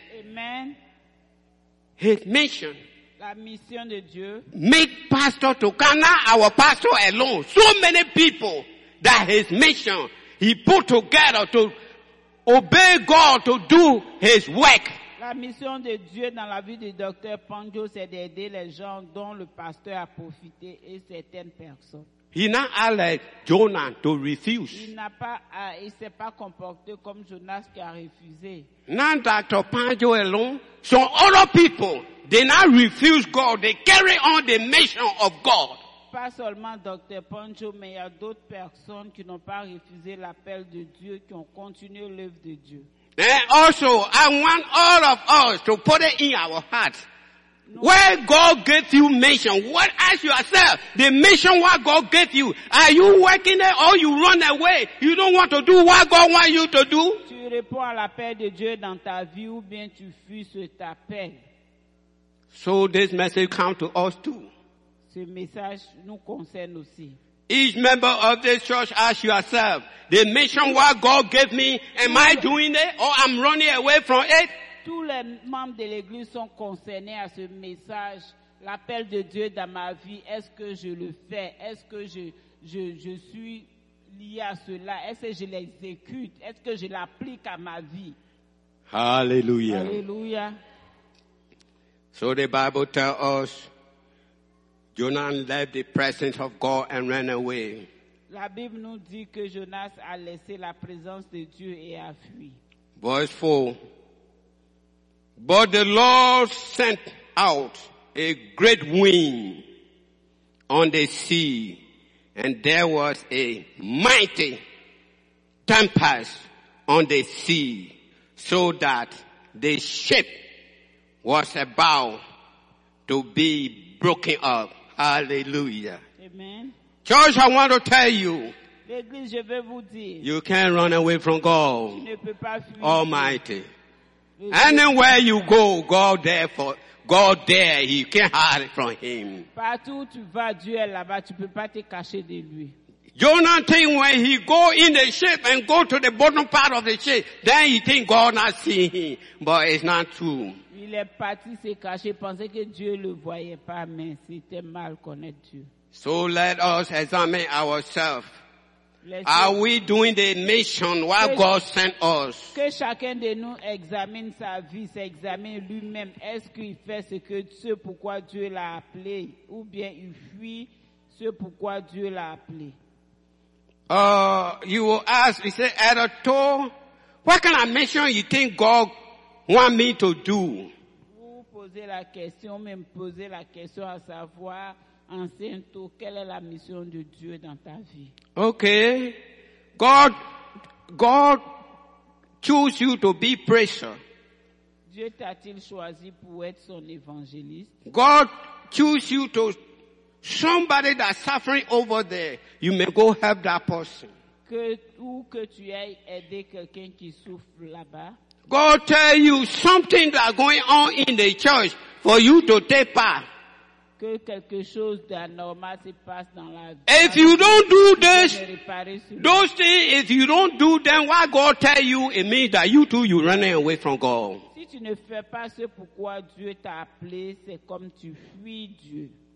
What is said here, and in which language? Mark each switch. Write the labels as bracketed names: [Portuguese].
[English] Amen. His mission. [French] La mission de Dieu. [English] Make pastor to Ghana, our pastor alone. So many people that his mission he put together to obey God to do his work. [French] La mission de Dieu dans la vie du docteur Panjo, c'est d'aider les gens dont le pasteur a profité et certaines personnes. [English] He not allowed Jonah to refuse. [French] Il s'est pas comporté comme Jonas qui a refusé. [English] Now Dr. Panjo alone, some other people, they not refuse God. They carry on the mission of God. [French] Pas seulement Dr. Panjo, mais il y a d'autres personnes qui n'ont pas refusé l'appel de Dieu, qui ont continué l'œuvre de Dieu. [English] And also, I want all of us to put it in our hearts. No. Where God gave you mission, what ask yourself, the mission what God gave you, are you working there or you run away? You don't want to do what God wants you to do? [French] Tu réponds à l'appel de Dieu dans ta vie ou bien tu fuis cet appel? [English] So this message comes to us too. [French] Ce message nous concerne aussi. [English] Each member of this church ask yourself, the mission what God gave me, am I doing it or I'm running away from it? [French] Tous les membres de l'église sont concernés à ce message. L'appel de Dieu dans ma vie, est-ce que je le fais? Est-ce que je suis lié à cela? Est-ce que je l'exécute? Est-ce que je l'applique à ma vie? [English] Hallelujah. Hallelujah. So the Bible tells us, Jonah left the presence of God and ran away. [French] La Bible nous dit que Jonas a laissé la présence de Dieu et a fui. [English] Verse 4. But the Lord sent out a great wind on the sea, and there was a mighty tempest on the sea, so that the ship was about to be broken up. Hallelujah. Amen. Church, I want to tell you. [French] L'église, je vais vous dire, [English] you can't run away from God. [French] Tu ne peux pas fuir [English] Almighty. Anywhere you go, God there, you can't hide it from him. [French] Partout tu vas, Dieu est là-bas, tu peux pas te cacher de lui. [English] Jonathan, when he go in the ship and go to the bottom part of the ship, then he think God not seeing him. But it's not true. [French] Il est parti se cacher, pensait que Dieu le voyait pas, mais c'était mal connaître Dieu. [English] So let us examine ourselves. Are we doing the mission what God sent us? [French] Que chacun de nous examine sa vie, s'examine lui-même. Est-ce qu'il fait ce que ce pourquoi Dieu l'a appelé, ou bien il fuit ce pourquoi Dieu l'a appelé? [English] You will ask. You say, Edotto, what kind of mission you think God want me to do? [French] poser la question, mais me poser la question à savoir, enseigne-toi, quelle est la mission de Dieu dans ta vie? [English] Okay. God choose you to be preacher. [French] Dieu t'a-t-il choisi pour être son évangéliste? [English] God choose you to somebody that's suffering over there. You may go help that person. [French] Que, ou que tu ailles aider quelqu'un qui souffre là-bas. [English] God tell you something that's going on in the church for you to take part. [French] Que quelque chose d'anormal se passe dans la vie. [English] If you don't do this, those things, if you don't do them, why God tell you it means that you too, you're running away from God. [French] Si tu ne fais pas ce pourquoi Dieu t'a appelé, c'est comme tu fuis Dieu.